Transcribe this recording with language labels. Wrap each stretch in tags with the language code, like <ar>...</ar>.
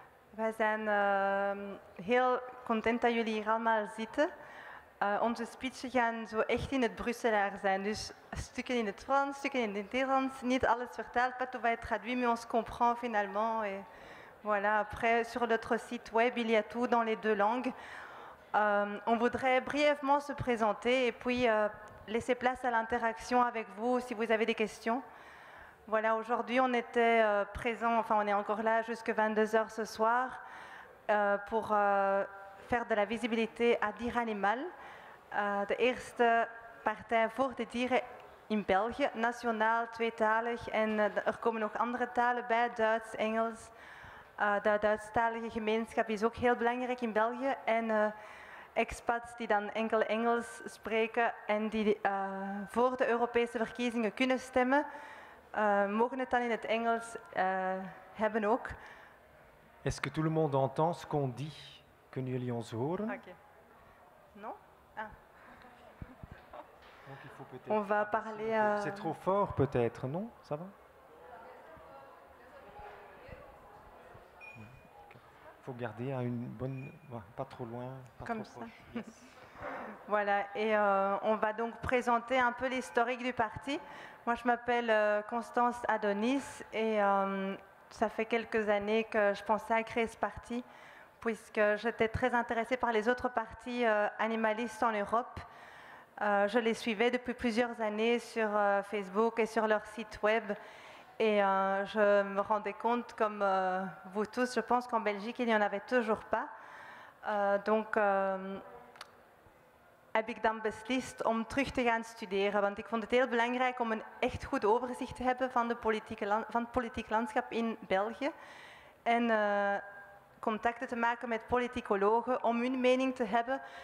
<nl>Wij zijn heel content dat jullie hier allemaal zitten. Onze speeches gaan zo echt in het Brusselaar zijn, dus stukken in het Frans, stukken in het Nederlands, niet alles verteld,</nl> <fr>pas tout va être traduit, mais on se comprend finalement. Et voilà. Après, sur notre site web, il y a tout dans les deux langues. On voudrait brièvement se présenter et puis laisser place à l'interaction avec vous si vous avez des questions. Voilà, aujourd'hui on était présent, enfin on est encore là jusqu'à 22h ce soir pour faire de la visibilité à Dier Animal,</fr> <nl>de eerste partij voor de dieren in België, nationaal, tweetalig en er komen nog andere talen bij, Duits, Engels. De Duitsstalige gemeenschap is ook heel belangrijk in België en expats die dan enkel Engels spreken en die voor de Europese verkiezingen kunnen stemmen. Mogen het dan in het Engels hebben ook.</nl> <fr>Est-ce que tout le monde entend ce qu'on dit?</fr> <nl>Kunnen jullie ons horen?</nl> <fr>Oké. Okay. Non? Ah. On va parler... C'est trop fort peut-être, non? Ça va? Il faut garder à une bonne... pas trop loin, pas comme trop ça. Proche. Voilà, et on va donc présenter un peu l'historique du parti. Moi, je m'appelle Constance Adonis et ça fait quelques années que je pensais à créer ce parti puisque j'étais très intéressée par les autres partis animalistes en Europe. Je les suivais depuis plusieurs années sur Facebook et sur leur site web. Et je me rendais compte, comme vous tous, je pense qu'en Belgique, il n'y en avait toujours pas.</fr> <nl>Donc, heb ik dan beslist om terug te gaan studeren. Want ik vond het heel belangrijk om een echt goed overzicht te hebben van, van het politiek landschap in België. En contacten te maken met politicologen om hun mening te hebben.</nl>